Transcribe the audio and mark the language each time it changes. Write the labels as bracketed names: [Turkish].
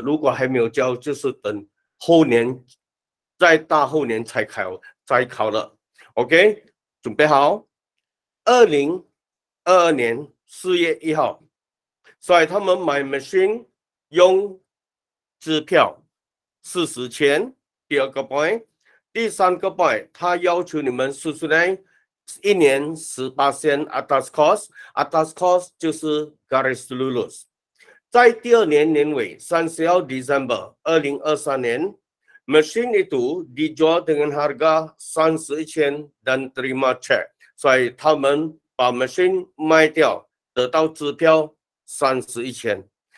[Chinese] 如果还没有教，就是等后年再大后年再考了 OK。准备好，2022年4月1号，所以他们买 machine 用支票40,000。第二个 point，第三个 point，他要求你们 Sunilai 一年18,000 atas cost，atas cost 就是 garis lulus。在第二年年尾31 December 2023年。 [Malay] Mesin itu dijual dengan harga RM30,000 dan terima cek. So, mereka menjual mesin, dapat 支票 RM30,000.